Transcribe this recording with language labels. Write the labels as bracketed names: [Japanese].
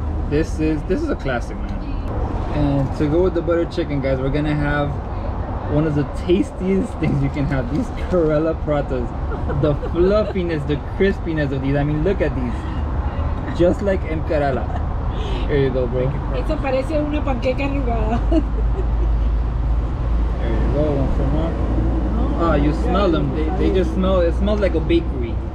[English] This is a classic, man. And to go with the buttered chicken, guys, we're gonna have one of the tastiest things you can have. These Kerala Parathas. The fluffiness, the crispiness of these. I mean, look at these. Just like M. Kerala. Here you go, bro. [Spanish] Esto parece una panqueca arrugada. [English] There you go, one for more. Ah, you smell them. They just smell, it smells like a bakery.